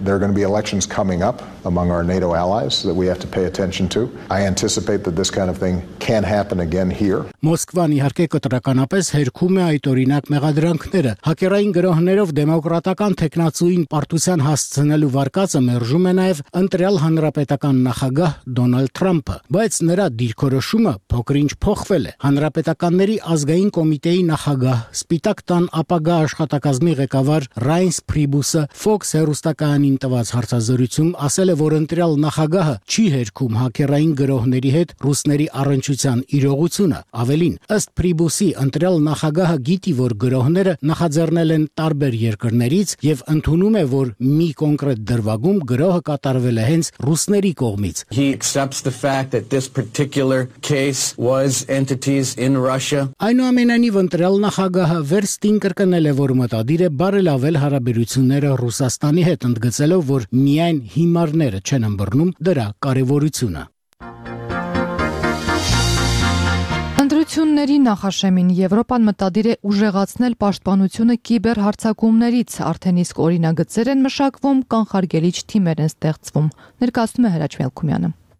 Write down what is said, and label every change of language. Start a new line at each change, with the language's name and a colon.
English: There are going to be elections coming up among our NATO allies that we have to pay attention to. I anticipate that this kind of thing can happen again here.
Armenian: Մոսկվան իհարկե կտրականապես հերքում է այդ օրինակ մեղադրել օրենքները։ Հակերային գրոհներով դեմոկրատական թեկնածուին պարտության հասցնելու վարկածը մերժում է նաև ընտրյալ հանրապետական նախագահ Դոնալդ Թրամփը, բայց նրա դիրքորոշումը փոքրինչ փոխվել է։ Հանրապետականների ազգային կոմիտեի նախագահ, Սպիտակ տան ապագա աշխատակազմի ղեկավար Ռայնս Փրիբուսը Fox հեռուստակայանին տված հարցազրույցում ասել է, որ ընտրյալ նախագահը չի հերքում հակերային գրոհների հետ ռուսների առնչության իրողությունը։ Ավելին, ըստ Փրիբուսի, ընտրյալ նախագահը գիտի, որ գրոհները նախաձեռնել են տարբեր երկրներից և ընդունում է, որ մի կոնկրետ դրվագում գրոհը կատարվել է հենց ռուսների կողմից։
English: He accepts the fact that this particular case was entities in Russia.
Armenian: Այնուամենայնիվ ընտրյալ նախագահը Վերստին կրկնել է, որ մտադիր է բարելավել հարաբերությունները Ռուսաստանի հետ, ընդգծելով, որ միայն հիմարները չեն ըմբռնում դրա կարևորությունը։ Ընտրությունների նախաշեմին Եվրոպան մտադիր է ուժեղացնել պաշտպանությունը կիբեր հարձակումներից, արդեն իսկ օրինագծեր են մշակվում, կանխարգելիչ թիմեր են ստեղծվում, ներկայացնում է Հրաչ Մելքումյանը։